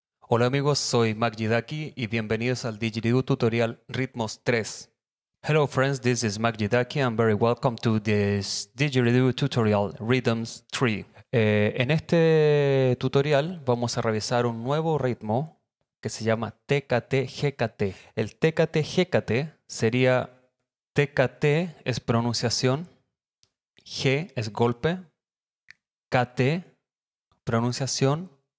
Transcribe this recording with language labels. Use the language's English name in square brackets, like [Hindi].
[Spanish] Hola amigos, soy Magidaki y bienvenidos al Didgeridoo tutorial Ritmos 3. [English] Hello friends, this is Magidaki and very welcome to this Didgeridoo tutorial Rhythms 3. [Spanish] En este tutorial vamos a revisar un nuevo ritmo que se llama TKT-GKT. El TKT-GKT sería TKT es pronunciación, G es golpe, KT pronunciación.